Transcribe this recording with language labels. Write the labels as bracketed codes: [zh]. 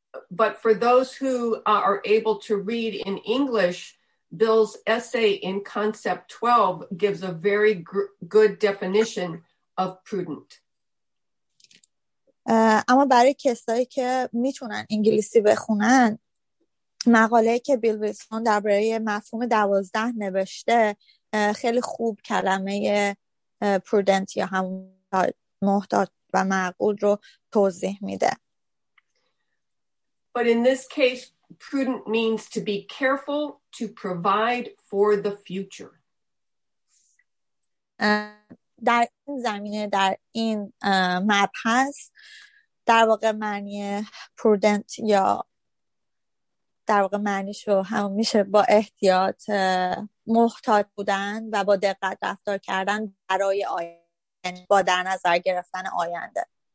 [en] But for those who are able to read in English, Bill's essay in Concept 12 gives a very good definition of prudent. [fa] اما برای کسایی که میتونن انگلیسی بخونن مقاله که بیل ویلسون در برای مفهوم 12 نوشته خیلی خوب کلمه prudent یا هم محتاط و معقول رو توضیح میده. [en] But in this case prudent means to be careful to provide for the future. [fa] در این زمینه در این مبحث در واقع معنی prudent یا در واقع معنیشو هم میشه با احتیاط محتاط بودن و با دقت رفتار کردن برای آینده با در نظر گرفتن آینده.